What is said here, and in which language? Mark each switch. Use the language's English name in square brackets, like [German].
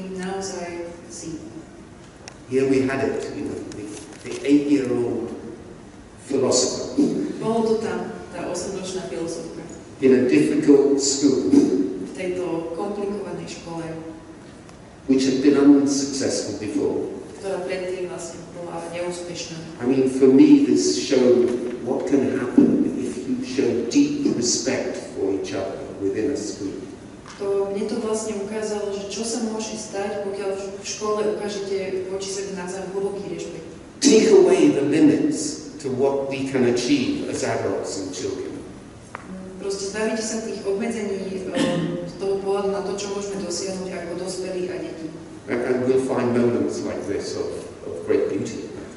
[English] Here we had it, you know, the 8-year-old philosopher. [Slovak] Bolo to tam, tá 8-ročná filozofka. [English] In a difficult school. [Slovak] V tejto komplikovanej škole. [English] Which had been unsuccessful before. [Slovak] Ktorá predtým vlastne bola neúspešná. [English] I mean, for me this showed what can happen if you show deep respect for each other within a school. [Slovak] To mne to vlastne ukázalo, že čo sa môže stať, pokiaľ v škole ukážete voči sebe navzájom hlboký rešpekt. [English] Take away the limits to what we can achieve as adults and children. [Slovak] Proste zbavíte sa tých obmedzení z toho pohľadu na to, čo môžeme dosiahnuť ako dospelí a deti. [English] And we'll find moments like this of great beauty.